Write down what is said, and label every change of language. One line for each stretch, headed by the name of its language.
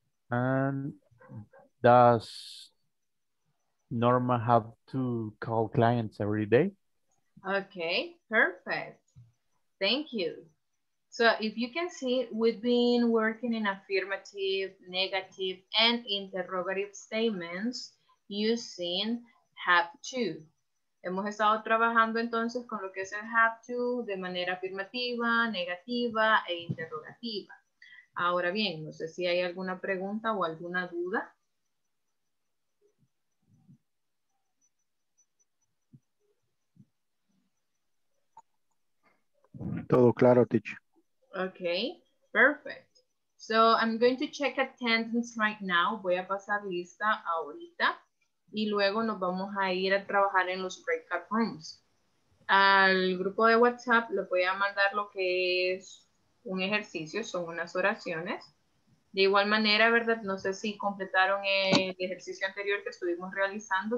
English: And does Norma have to call clients every day? Okay, perfect. Thank you. So if you can see, we've been working in affirmative, negative, and interrogative statements using have to.
Spanish: Hemos estado trabajando entonces con lo que es el have to de manera afirmativa, negativa e interrogativa. Ahora bien, no sé si hay alguna pregunta o alguna duda. Todo claro, teacher.
English: Okay, perfect. So I'm going to check attendance right now.
Spanish: Voy a pasar lista ahorita y luego nos vamos a ir a trabajar en los breakout rooms. Al grupo de WhatsApp le voy a mandar lo que es un ejercicio, son unas oraciones. De igual manera, ¿verdad? No sé si completaron el ejercicio anterior que estuvimos realizando.